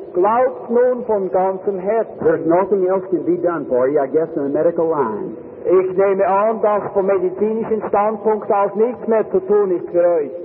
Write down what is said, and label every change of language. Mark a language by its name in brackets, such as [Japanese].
[German] Glaubt nun von ganzem Herzen. [English] There's nothing else can be done for you, I guess, in the medical line. [German] Ich nehme an, dass vom medizinischen Standpunkt aus nichts mehr zu tun ist für euch.